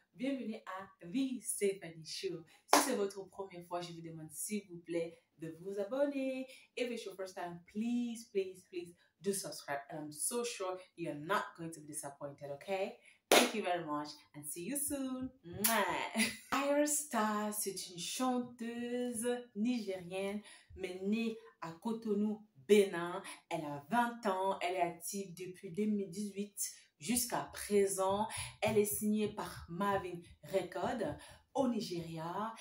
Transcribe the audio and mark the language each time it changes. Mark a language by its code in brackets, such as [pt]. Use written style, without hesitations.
[fr] Bienvenue à The Stéphanie Show. Si c'est votre première fois, je vous demande s'il vous plaît de vous abonner. [en] If it's your first time, please, please, please do subscribe. And I'm so sure you're not going to be disappointed, okay? Thank you very much and see you soon. [fr] Ayra Starr, c'est une chanteuse nigérienne, mais née à Cotonou, Bénin. Elle a 20 ans, elle est active depuis 2018. Jusqu'à présent, elle est signée par Marvin Records au Nigeria.